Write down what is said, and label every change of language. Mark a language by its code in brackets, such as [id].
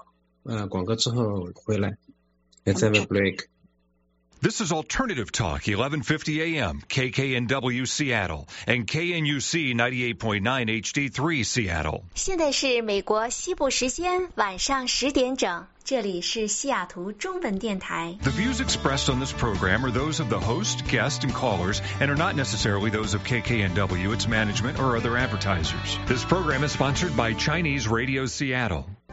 [zh] 那他说呢，除了这个毒品和妓女这两个问题，他很同意啊，这是两个很主要的问题。还有一个就是垃圾泛滥的问题。那本来呢，游客这个全世界游客来到西雅图就会很高兴的去愿意去看一下中国城的一些标志性的建筑、一些门牌啊什么。可是现在他们都不敢来，因为他们一来就会看到垃圾遍地，还有很不安全，所以他们看到了那些情况非常不安全，所以他们会很害怕。那这也是我们一个巨大的担心的一个地方，所以我们向政府求助，如果你们这个政府坚持要把无家可归的庇护所在中国城继续扩大的话，那我们请求你们给我们资源来帮我们保护这里的安全。好，我们先进一下广告，广告之后回来，再 [en] Okay. break. This is Alternative Talk 1158 AM, KKNW Seattle, and KNUC 98.9 HD3 Seattle. [zh] 现在是美国西部时间晚上10点整。 [en] The views expressed on this program are those of the host, guest, and callers, and are not necessarily those of KKNW, its management, or other advertisers. This program is sponsored by Chinese Radio Seattle.